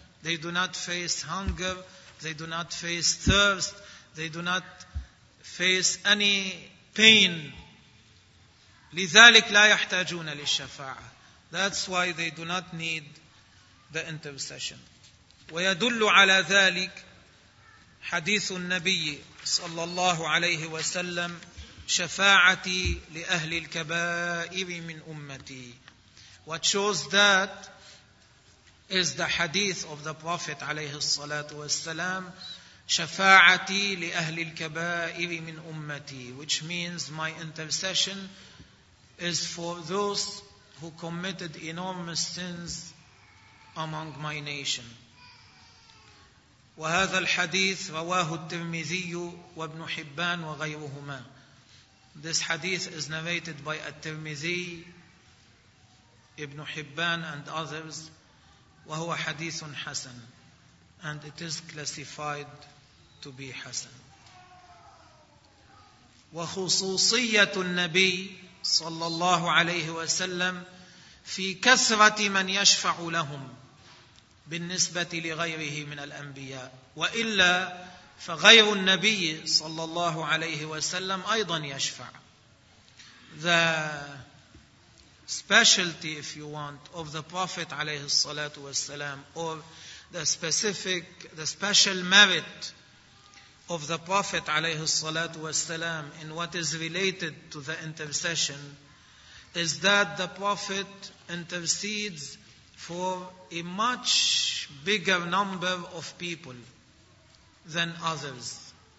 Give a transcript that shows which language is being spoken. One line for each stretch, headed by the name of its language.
English: They do not face hunger, they do not face thirst, they do not face any pain.
Arabic: لِذَلِكْ لَا يَحْتَاجُونَ لِلشَّفَاعَةِ.
English: That's why they do not need the intercession.
Arabic: وَيَدُلُّ عَلَى ذَلِكَ حَدِيثُ النَّبِيِّ صلى الله عليه وسلم شفاعتي لأهل الكبائر من أمتي.
English: What shows that is the hadith of the Prophet
Arabic: عليه الصلاة والسلام, شفاعتي لأهل الكبائر من أمتي,
English: which means my intercession is for those who committed enormous sins among my nation.
Arabic: وهذا الحديث رواه الترمذي وابن حبان وغيرهما.
English: This hadith is narrated by At-Tirmidhi, Ibn Hibban and others.
Arabic: وهو حديث حسن.
English: And it is classified to be حسن.
Arabic: وخصوصية النبي صلى الله عليه وسلم في كثرة من يشفع لهم بالنسبة لغيره من الأنبياء. وإلا فغير النبي صلى الله عليه وسلم أيضا يشفع.
English: The specialty, if you want, of the Prophet
Arabic: عليه الصلاة والسلام,
English: or the special merit of the Prophet عليه الصلاة والسلام in what is related to the intercession, is that the Prophet intercedes for a much bigger number of people than others.